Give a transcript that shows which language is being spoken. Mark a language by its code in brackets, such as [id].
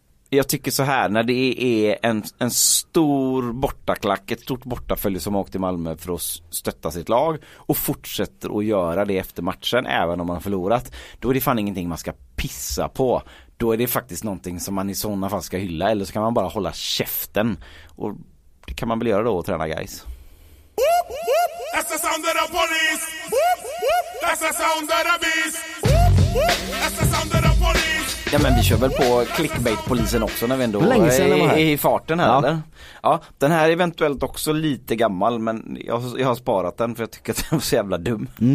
[sv] Jag tycker så här, när det är en stor bortaklack, ett stort bortafölje som har åkt till Malmö för att stötta sitt lag och fortsätter att göra det efter matchen även om man har förlorat, då är det fan ingenting man ska pissa på. Då är det faktiskt någonting som man i sådana fall ska hylla, eller så kan man bara hålla käften. Och det kan man väl göra då och träna guys. [en] That's the sound of the police. That's the sound of the beast. That's the sound of the police. [sv] Ja, men vi kör väl på clickbait-polisen också när vi ändå länge sedan är i farten här, ja, eller? Ja, den här är eventuellt också lite gammal, men jag har sparat den för jag tycker att den var så jävla dum.